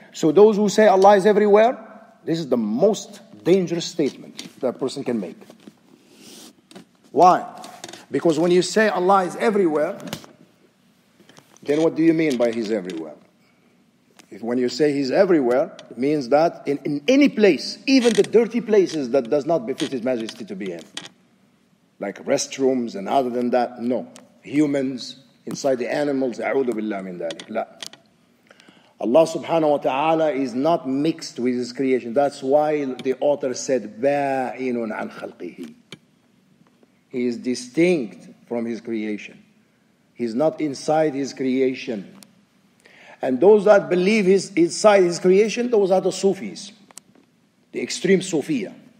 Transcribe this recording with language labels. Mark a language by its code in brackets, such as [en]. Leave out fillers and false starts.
[en] So those who say Allah is everywhere, this is the most dangerous statement that a person can make. Why? Because when you say Allah is everywhere, then what do you mean by He's everywhere? If when you say He's everywhere, it means that in any place, even the dirty places, that does not befit His Majesty to be in. Like restrooms and other than that, no. Humans, inside the animals, [ar] أعوذ بالله من ذلك. لا. [en] Allah subhanahu wa ta'ala is not mixed with His creation. That's why the author said, [ar] بَائِنٌ عَنْ خَلْقِهِ. [en] He is distinct from His creation. He's not inside His creation. And those that believe He's inside His creation, those are the Sufis, the extreme Sufiyah.